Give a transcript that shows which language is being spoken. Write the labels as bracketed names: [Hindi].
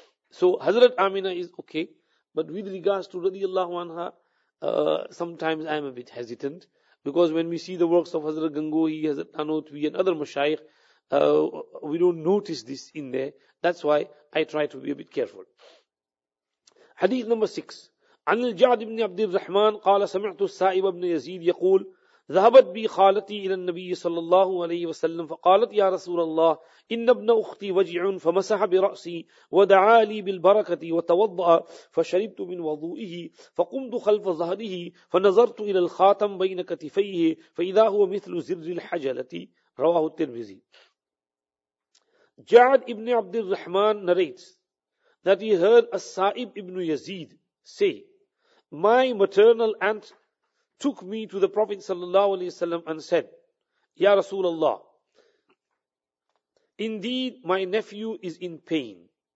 [English] So Hazrat Amina is okay. But with regards to radiallahu anha, sometimes I am a bit hesitant. Because when we see the works of Hazrat Gangohi, Hazrat Nanotvi and other mashayikh, we don't notice this in there. That's why I try to be a bit careful. Hadith number 6. [Arabic] عن الجعد بن عبد الرحمن قال سمعت السائب بن يزيد يقول ذهبت بي خالتي إلى النبي صلى الله عليه وسلم فقالت يا رسول الله إن ابن أختي وجع فمسح برأسي ودعا لي بالبركة وتوضأ فشربت من وضوئه فقمت خلف ظهره فنظرت إلى الخاتم بين كتفيه فإذا هو مثل زر الحجلة رواه الترمذي. [English] جعد بن عبد الرحمن narrates that he heard السائب بن يزيد say, my maternal aunt took me to the Prophet sallallahu alaihi wasallam and said, Ya Rasulullah, indeed my nephew is in pain.